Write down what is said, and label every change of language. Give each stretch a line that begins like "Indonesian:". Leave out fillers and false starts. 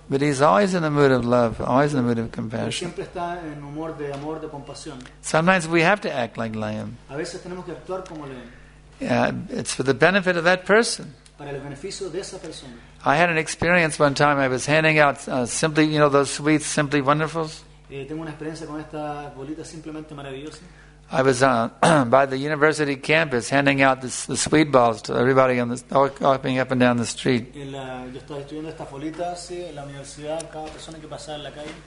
English: But he's always in the mood of love, always in the mood of compassion.
Spanish: Siempre está en humor de amor, de compasión.
English: Sometimes we have to act like a lion.
Spanish: A veces tenemos que actuar como león.
English: Yeah, it's for the benefit of that person.
Spanish: Para el beneficio de esa persona.
English: I had an experience one time. I was handing out simply, you know, those sweets, Simply Wonderfuls.
Spanish: Tengo una experiencia con esta bolita simplemente maravillosa.
English: I was by the university campus handing out the sweet balls to everybody on the walking up and down the street.
Spanish: Yo estaba estudiando estas bolitas, sí, en la universidad, cada persona que pasaba en la calle.